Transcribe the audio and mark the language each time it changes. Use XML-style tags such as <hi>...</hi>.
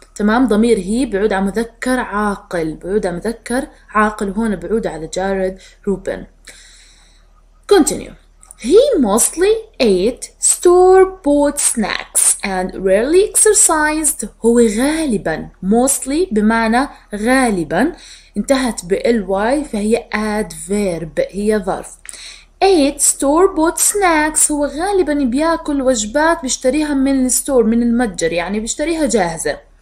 <ar>تمام؟ ضمير هي بعود على مذكر عاقل، بعود على مذكر عاقل هون بعود على Jared Rupin.</ar> <en>continue. he mostly ate store-bought snacks and rarely exercised.</en> <ar>هو غالبا mostly بمعنى غالبا انتهت بالواي فهي adverb هي ظرف.</ar> <en>ate store-bought snacks</en> <ar>هو غالبا بياكل وجبات بيشتريها من الستور من المتجر يعني بيشتريها جاهزة.</ar>